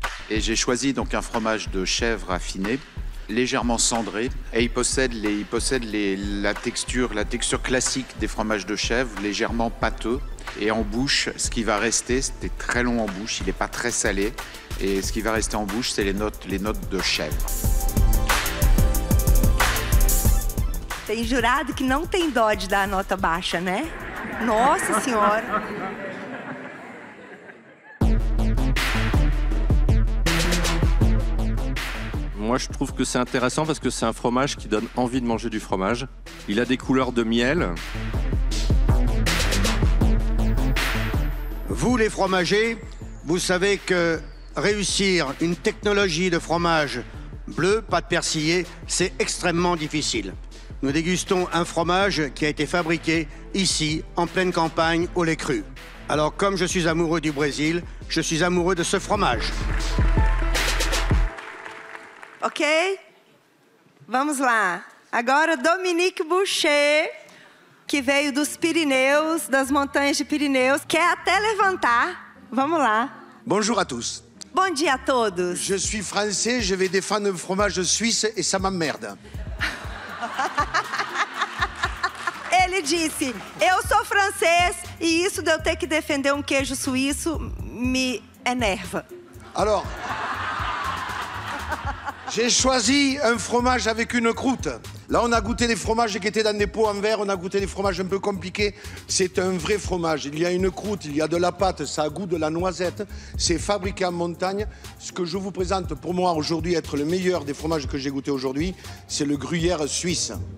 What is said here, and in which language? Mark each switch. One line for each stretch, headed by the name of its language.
French: Et j'ai choisi donc un fromage de chèvre affiné. Légèrement cendré et il possède la texture classique des fromages de chèvre, légèrement pâteux. Et en bouche, ce qui va rester, c'était très long en bouche, il n'est pas très salé. Et ce qui va rester en bouche, c'est les notes de chèvre.
Portuguese: Tem jurado que não tem dó de dar nota baixa, né? Nossa senhora!
French: Moi, je trouve que c'est intéressant parce que c'est un fromage qui donne envie de manger du fromage. Il a des couleurs de miel. Vous, les fromagers, vous savez que réussir une technologie de fromage bleu, pâte persillée, c'est extrêmement difficile. Nous dégustons un fromage qui a été fabriqué ici, en pleine campagne, au lait cru. Alors, comme je suis amoureux du Brésil, je suis amoureux de ce fromage.
Portuguese: Ok? Vamos lá. Agora, Dominique Boucher, que veio dos Pirineus, das montanhas de Pirineus, quer até levantar. Vamos lá.
French: Bonjour à tous.
Portuguese: Bom dia a todos.
French: Je suis français, je vais défendre un fromage suisse et ça m'emmerde.
Portuguese: Ele disse, eu sou francês e isso de eu ter que defender um queijo suíço me enerva.
French: Alors... J'ai choisi un fromage avec une croûte. Là, on a goûté des fromages qui étaient dans des pots en verre. On a goûté des fromages un peu compliqués. C'est un vrai fromage. Il y a une croûte, il y a de la pâte. Ça a goût de la noisette. C'est fabriqué en montagne. Ce que je vous présente pour moi aujourd'hui être le meilleur des fromages que j'ai goûté aujourd'hui, c'est le Gruyère suisse.